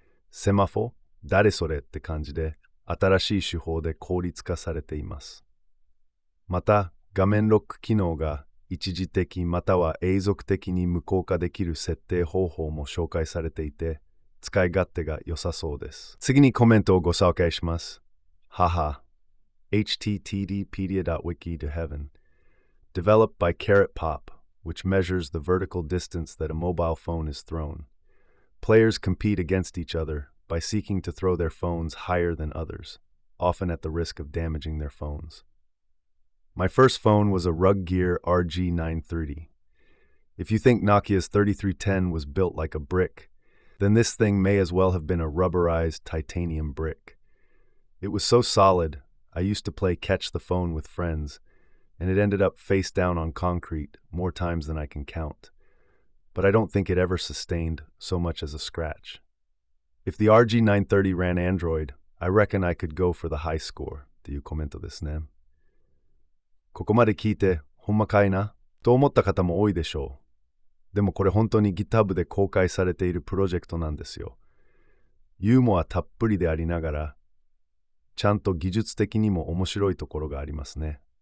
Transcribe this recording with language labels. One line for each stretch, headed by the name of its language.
Japanese: セマフォ、誰それって感じで、新しい手法で効率化されています。また、画面ロック機能が一時的または永続的に無効化できる設定方法も紹介されていて、使い勝手が良さそうです。次にコメントをご紹介します。
English: haha httpedia.wikiToHeaven Developed by Carrot Pop, which measures the vertical distance that a mobile phone is thrown. Players compete against each other by seeking to throw their phones higher than others, often at the risk of damaging their phones. My first phone was a Rug Gear RG930. If you think Nokia's 3310 was built like a brick,then this thing may as well have been a rubberized titanium brick. It was so solid, I used to play catch the phone with friends, and it ended up face down on concrete more times than I can count. But I don't think it ever sustained so much as a scratch. If the RG930 ran Android, I reckon I could go for the high score.
Japanese: っていうコメントですね。ここまで聞いて、ほんまかいな？と思った方も多いでしょう。でもこれ本当に GitHub で公開されているプロジェクトなんですよ。ユーモアたっぷりでありながら、ちゃんと技術的にも面白いところがありますね。